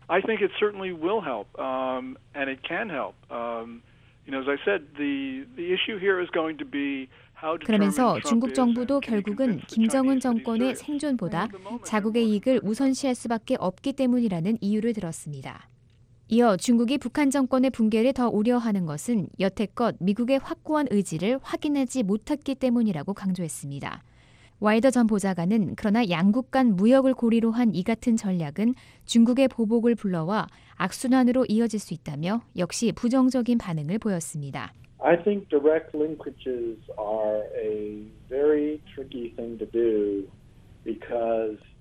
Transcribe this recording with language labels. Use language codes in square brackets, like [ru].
[en] I think it certainly will help and it can help. You know, as I said, the issue here is going to be [ko] 그러면서 중국 정부도 결국은 김정은 정권의 생존보다 자국의 이익을 우선시할 수밖에 없기 때문이라는 이유를 들었습니다. 이어 중국이 북한 정권의 붕괴를 더 우려하는 것은 여태껏 미국의 확고한 의지를 확인하지 못했기 때문이라고 강조했습니다. 와일더 전 보좌관은 그러나 양국 간 무역을 고리로 한 이 같은 전략은 중국의 보복을 불러와 악순환으로 이어질 수 있다며 역시 부정적인 반응을 보였습니다. [en] I think direct linkages are a very tricky thing to do because